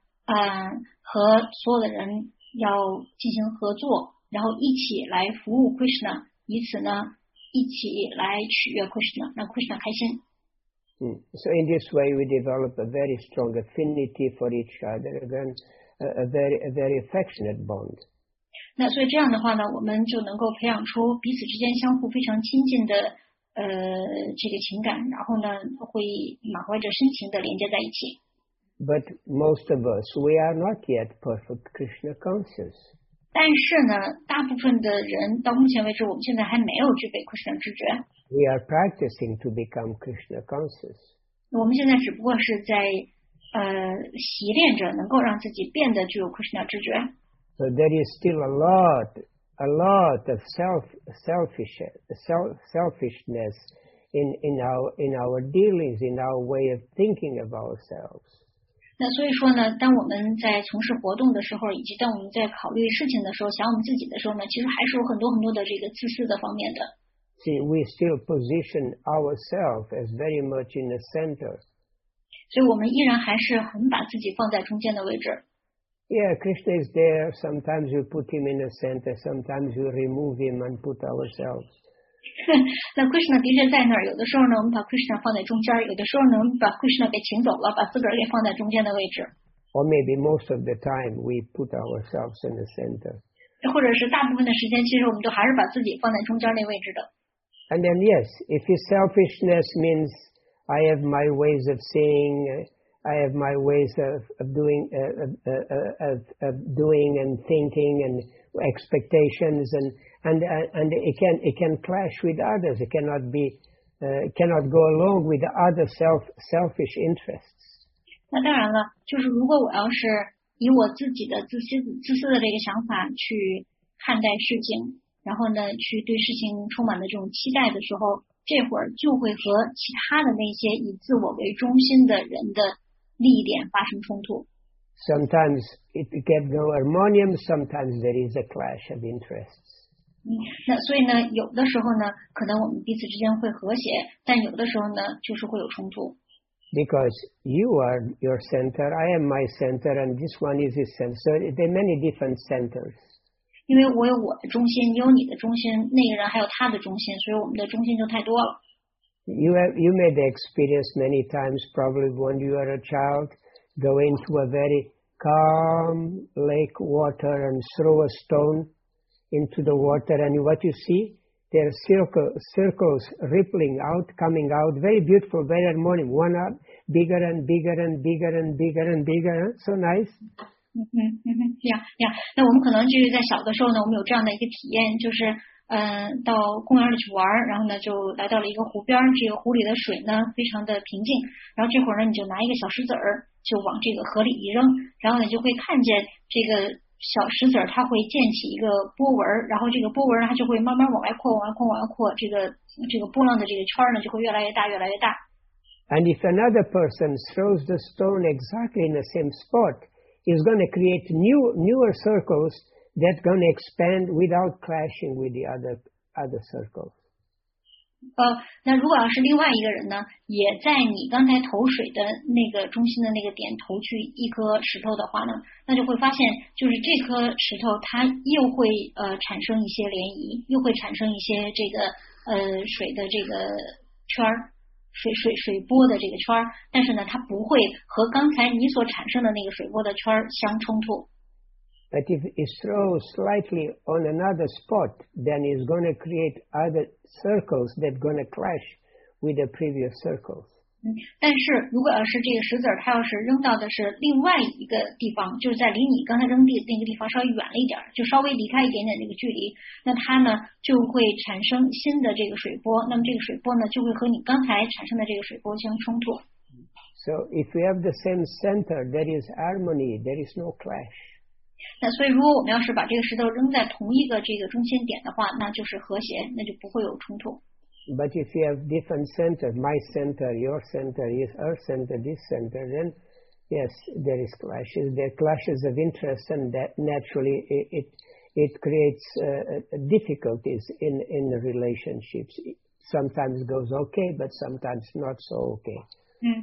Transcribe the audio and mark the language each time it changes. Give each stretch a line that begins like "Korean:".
Chinese: 和所有的人要进行合作，然后一起来服务 Krishna， 以此呢一起来取悦 Krishna， 让 Krishna 开心。
English: So in this way we develop a very strong affinity for each other and a very affectionate bond.
Chinese: 那所以这样的话呢，我们就能够培养出彼此之间相互非常亲近的这个情感，然后呢会满怀着深情的连接在一起。
English: But most of us, we are not yet perfect Krishna conscious.
Chinese: 但是呢，大部分的人到目前为止，我们现在还没有具备 Krishna 知觉。
English: We are practicing to become Krishna conscious.
Chinese: 我们现在只不过是在习练着能够让自己变得具有 Krishna 知觉。
English: So there is still a lot of selfishness in our dealings, in our way of thinking of ourselves.
Chinese: 那所以说呢，当我们在从事活动的时候，以及当我们在考虑事情的时候，想我们自己的时候呢，其实还是有很多很多的这个自私的方面的。
English: See, we still position ourselves as very much in the center.
Chinese: 所以我们依然还是很把自己放在中间的位置。
English: Yeah, Krishna is there. Sometimes you put him in the center. Sometimes you remove him and put ourselves.
Chinese: 那 Krishna 的确在那儿。有的时候呢，我们把 Krishna 放在中间；有的时候呢，我们把 Krishna 给请走了，把自个儿给放在中间的位置。
English: Or maybe most of the time we put ourselves in the center.
Chinese: 或者是大部分的时间，其实我们都还是把自己放在中间那位置的。
English: And then yes, if his selfishness means I have my ways of seeing. I have my ways of doing and thinking and expectations and it can clash with others. It cannot be cannot go along with the other selfish interests.
Chinese: 那当然了，就是如果我要是以我自己的自私的这个想法去看待事情，然后呢去对事情充满了这种期待的时候，这会儿就会和其他的那些以自我为中心的人的利益点发生冲突。
English: Sometimes it gets no harmonium. Sometimes there is a clash of interests.
Chinese: 那所以呢，有的时候呢，可能我们彼此之间会和谐，但有的时候呢，就是会有冲突。
English: Because you are your center, I am my center, and this one is his center. So there are many different centers.
Chinese: 因为我有我的中心，你有你的中心，那个人还有他的中心，所以我们的中心就太多了。
English: You may have experienced many times, probably when you are a child, going to a very calm lake water and throw a stone into the water, and what you see, there are circles rippling out, coming out, very beautiful, very harmonious, one up, bigger and bigger and bigger and bigger and bigger, so nice.
Chinese: 那我们可能就是在小的时候呢，我们有这样的一个体验，就是到公园里去玩，然后呢就来到了一个湖边，这个湖里的水呢非常的平静，然后这会儿呢你就拿一个小石子儿就往这个河里一扔，然后呢就会看见这个小石子儿它会溅起一个波纹，然后这个波纹它就会慢慢往外扩，往外扩，往外扩，这个波浪的这个圈呢就会越来越大，越来越大。
English: And if another person throws the stone exactly in the same spot, it's going to create newer circles. That's going to expand without clashing with the other circles.
Chinese: 那如果要是另外一个人呢，也在你刚才投水的那个中心的那个点投去一颗石头的话呢，那就会发现，就是这颗石头它又会产生一些涟漪，又会产生一些这个水的这个圈儿，水波的这个圈儿，但是呢，它不会和刚才你所产生的那个水波的圈儿相冲突。
English: But if it throws slightly on another spot, then it's going to create other circles that are going to clash with the previous circles.
Chinese: 但是如果要是这个石子它要是扔到的是另外一个地方，就是在离你刚才扔的那个地方稍微远了一点，就稍微离开一点点这个距离，那它呢就会产生新的这个水波，那么这个水波呢就会和你刚才产生的这个水波相冲突。
English: So if we have the same center, there is harmony, there is no clash.
Chinese: 那所以如果我们要是把这个石头扔在同一个这个中心点的话，那就是和谐，那就不会有冲突。
English: But if you have different centers, my center, your center, his, her center, this center, then yes, there is clashes. There are clashes of interest and that naturally it creates difficulties in the relationships. Sometimes it goes okay, but sometimes not so okay.